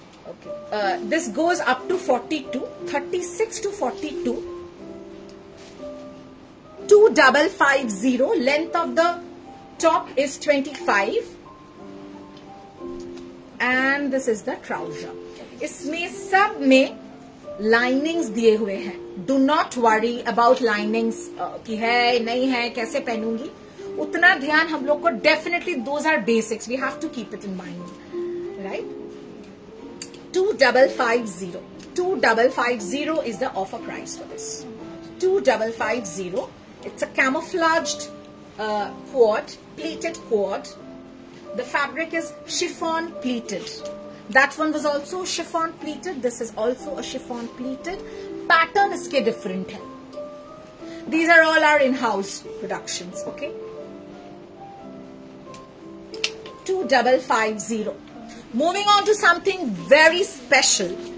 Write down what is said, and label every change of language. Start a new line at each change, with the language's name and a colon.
English: Okay, this goes up to 42, 36 to 42. 2550, length of the top is 25, and this is the trouser.
Hindi: इसमें सब में linings दिए हुए हैं.
English: do not worry about linings
Hindi: कि है नहीं है, कैसे पहनूंगी. उतना ध्यान हम लोग को
English: Definitely those are basics we have to keep it in mind right 2550 2550 is the offer price for this 2550 it's a camouflaged quad pleated quad the fabric is chiffon pleated That one was also chiffon pleated. This is also a chiffon pleated. Pattern is different. These are all our in-house productions. Okay. 2550. Moving on to something very special.